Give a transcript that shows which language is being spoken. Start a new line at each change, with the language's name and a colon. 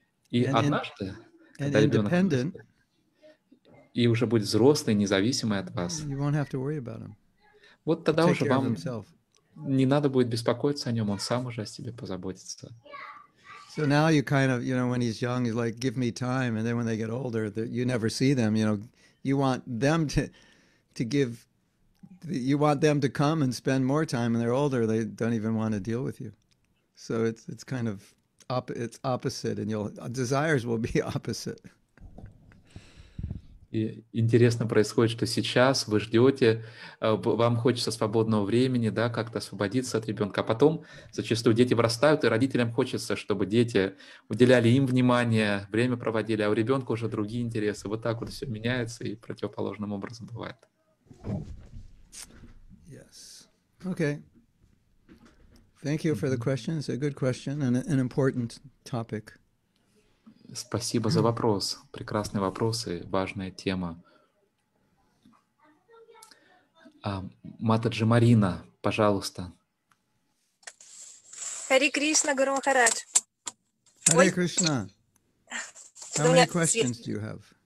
Russian: и однажды, когда ребенок вырастет, и уже будет взрослый, независимый от вас,
English: you won't have to worry about him.
Russian: Вот тогда уже вам не надо будет беспокоиться о нем, он сам уже о себе позаботится.
English: So now you kind of, you know, when he's young, he's like, give me time. And then when they get older, you never see them, you know, you want them to come and spend more time. When they're older, they don't even want to deal with you. So it's kind of it's opposite, and desires will be opposite.
Russian: И интересно происходит, что сейчас вы ждете, вам хочется свободного времени, да, как-то освободиться от ребенка, а потом зачастую дети вырастают, и родителям хочется, чтобы дети уделяли им внимание, время проводили, а у ребенка уже другие интересы. Вот так вот все меняется и противоположным образом бывает.
English: Yes. Okay. Thank you for the question. It's a good question and an important topic.
Russian: Спасибо за вопрос. Прекрасный вопрос и важная тема. Матаджи Марина, пожалуйста. Хари Кришна, Гуру Махарадж.
English: Хари Кришна. How many questions do you have?